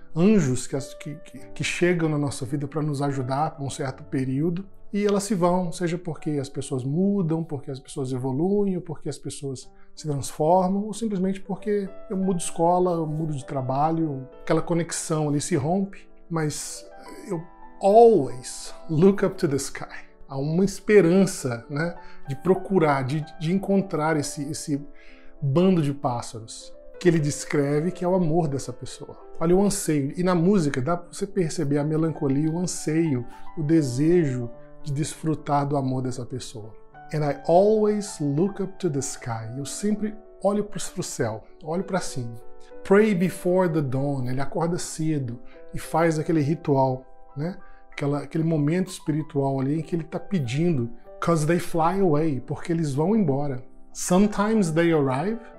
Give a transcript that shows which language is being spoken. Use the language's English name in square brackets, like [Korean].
[Portuguese] Anjos que chegam na nossa vida para nos ajudar por um certo período e elas se vão, seja porque as pessoas mudam, porque as pessoas evoluem, ou porque as pessoas se transformam, ou simplesmente porque eu mudo de escola, eu mudo de trabalho, aquela conexão ali se rompe. Mas eu [English] always look up to the sky. [Portuguese] Há uma esperança, né, de procurar, de encontrar esse bando de pássaros que ele descreve que é o amor dessa pessoa. Olha o anseio. E na música dá para você perceber a melancolia, o anseio, o desejo de desfrutar do amor dessa pessoa. [English] And I always look up to the sky. [Portuguese] Eu sempre olho para o céu, olho para cima. [English] Pray before the dawn. [Portuguese] Ele acorda cedo e faz aquele ritual, né? Aquele momento espiritual ali em que ele está pedindo. [English] Because they fly away. [Portuguese] Porque eles vão embora. [English] Sometimes they arrive.